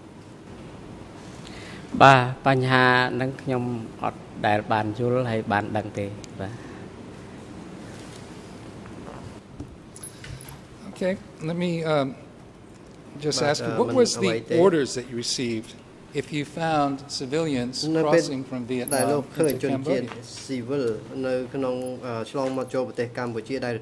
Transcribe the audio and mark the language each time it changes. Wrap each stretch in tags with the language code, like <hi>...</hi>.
<km>ច់ញាតិនៅប្រទេសវៀតណាមឬក៏ស្នើសុំទៅលេងសាច់ញាតិនៅប្រទេសវៀតណា</km> <en>ម Okay, let me just ask you, what was the orders that you received if you found civilians crossing from Vietnam into Cambodia?</en> <km>ដែលលោកឃើញជនជាតិ civil នៅក្នុងឆ្លងមកចូលប្រទេសកម្ពុជាដែរ</km>